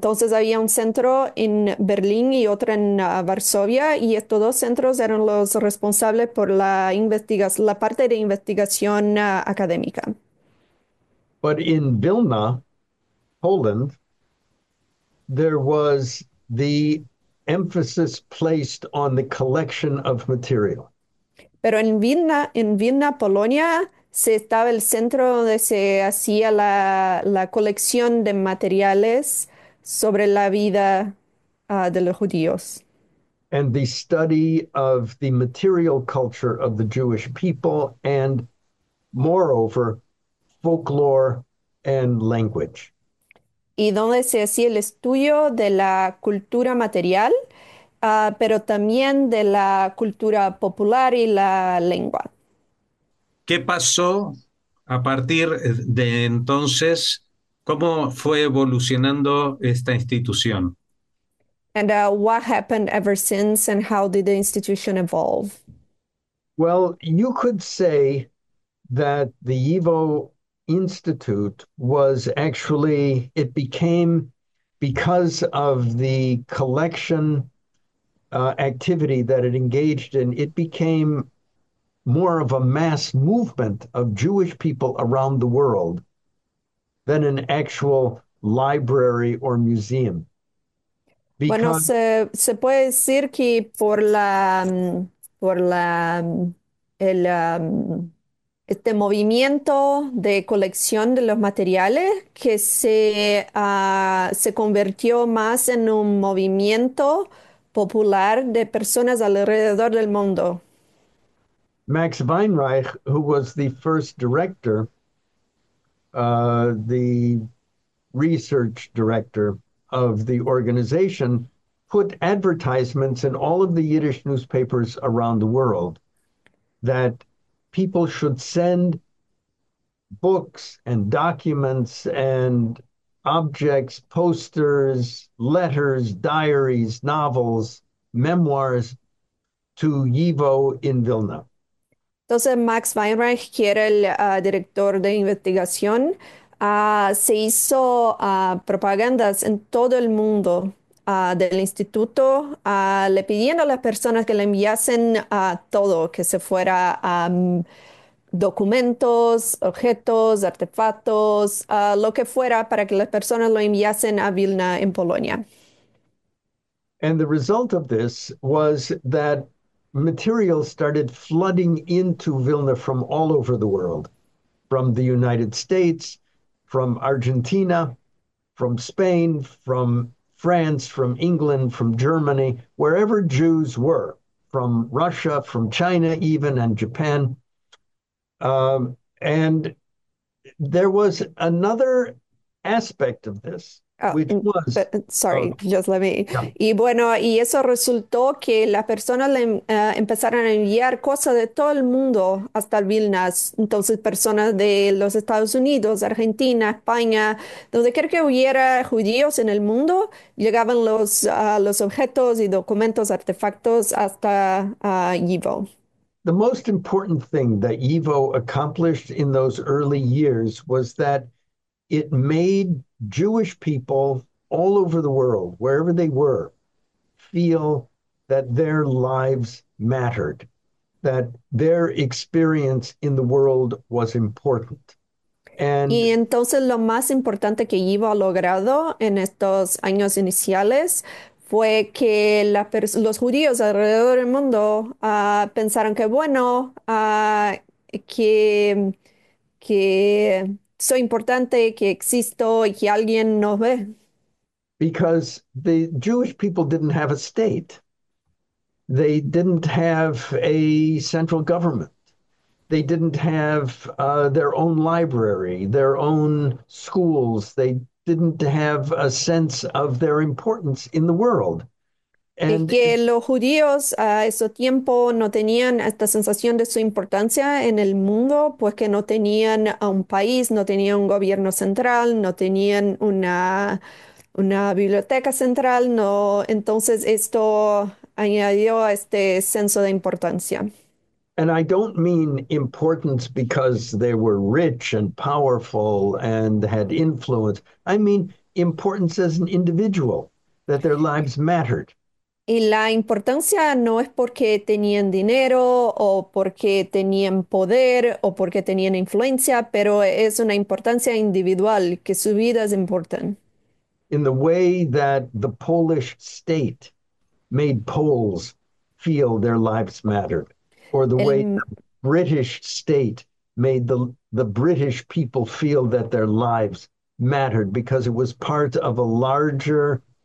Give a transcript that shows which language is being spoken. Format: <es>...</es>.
<es>Entonces, había un centro en Berlín y otro en Varsovia, y estos dos centros eran los responsables por la parte de investigación académica.</es> <en>But in Vilna, Poland, there was the emphasis placed on the collection of material.</en> <es>Pero en Vilna, Polonia, se estaba el centro donde se hacía la colección de materiales sobre la vida de los judíos.</es> <en>and the study of the material culture of the Jewish people, and moreover, folklore and language.</en> <es>Y donde se hacía el estudio de la cultura material, pero también de la cultura popular y la lengua. ¿Qué pasó a partir de entonces? ¿Cómo fue evolucionando esta institución?</es> <en>And what happened ever since, and how did the institution evolve? Well, you could say that the YIVO Institute was actually, it became because of the collection activity that it engaged in, it became more of a mass movement of Jewish people around the world than an actual library or museum.</en> <es>Bueno,</es> <en>Because</en> <es>se puede decir que este movimiento de colección de los materiales que se convirtió más en un movimiento popular de personas alrededor del mundo.</es> <en>Max Weinreich, who was the first director, the research director of the organization, put advertisements in all of the Yiddish newspapers around the world that people should send books and documents and objects, posters, letters, diaries, novels, memoirs to YIVO in Vilna.</en> <es>Entonces, Max Weinreich, que era el director de investigación, se hizo propagandas en todo el mundo del instituto, le pidiendo a las personas que le enviasen todo, que se fuera documentos, objetos, artefactos, lo que fuera, para que las personas lo enviasen a Vilna, en Polonia.</es> <en>And the result of this was that materials started flooding into Vilna from all over the world, from the United States, from Argentina, from Spain, from France, from England, from Germany, wherever Jews were, from Russia, from China even, and Japan. And there was another aspect of this, which was... Sorry, just let me.</en> <es>Y bueno, y eso resultó que las personas empezaron a enviar cosas de todo el mundo hasta Vilna. Entonces, personas de los Estados Unidos, Argentina, España, donde quiera que hubiera judíos en el mundo, llegaban los objetos y documentos, artefactos hasta YIVO.</es> <en>The most important thing that YIVO accomplished in those early years was that it made Jewish people all over the world, wherever they were, feel that their lives mattered, that their experience in the world was important. And</en> <es>y entonces lo más importante que YIVO ha logrado en estos años iniciales fue que los judíos alrededor del mundo pensaron que bueno, que soy importante, que existo y que alguien nos ve.</es> <en>Because the Jewish people didn't have a state. They didn't have a central government. They didn't have their own library, their own schools. They didn't have a sense of their importance in the world.</en> <es>Y que los judíos a ese tiempo no tenían esta sensación de su importancia en el mundo, pues que no tenían a un país, no tenían un gobierno central, no tenían una biblioteca central, no. Entonces esto añadió a este senso de importancia.</es> <en>And I don't mean importance because they were rich and powerful and had influence. I mean importance as an individual, that their lives mattered.</en> <es>Y la importancia no es porque tenían dinero o porque tenían poder o porque tenían influencia, pero es una importancia individual, que su vida es importante.</es> <en>In the way that the Polish state made Poles feel their lives mattered, or the way the British state made the British people feel that their lives mattered, because it was part of a larger</en>